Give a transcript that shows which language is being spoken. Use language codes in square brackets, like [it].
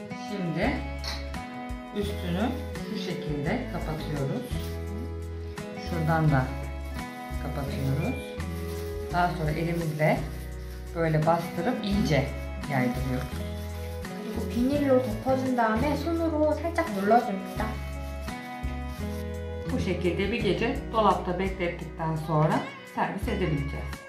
[tr] Şimdi üstünü şekilde kapatıyoruz. Şuradan da kapatıyoruz. Daha sonra elimizle böyle bastırıp iyice yaydırıyoruz. [ko] 그리고 비닐로 덮어준 다음에 손으로 살짝 눌러줍니다. [tr] 뭐 şekilde bir gece dolapta beklettikten sonra servis edebileceğiz.